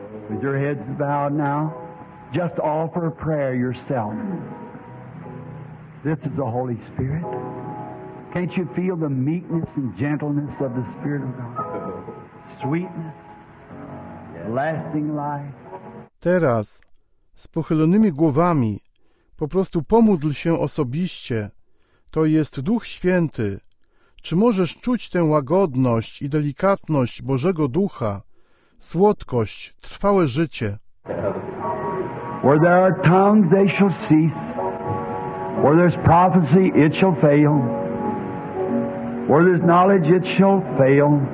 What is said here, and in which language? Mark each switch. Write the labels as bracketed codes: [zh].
[en] With your heads bowed now, just offer a prayer yourself. This is the Holy Spirit. Can't you feel the meekness and gentleness of the Spirit of God? Sweetness, lasting life. [pl] Teraz, z pochylonymi głowami, po prostu pomódl się osobiście. To jest Duch Święty. Czy możesz czuć tę łagodność i delikatność Bożego Ducha, słodkość, trwałe życie? [en] Where there are tongues, they shall cease. Where there's prophecy, it shall fail. Where there's knowledge, it shall fail.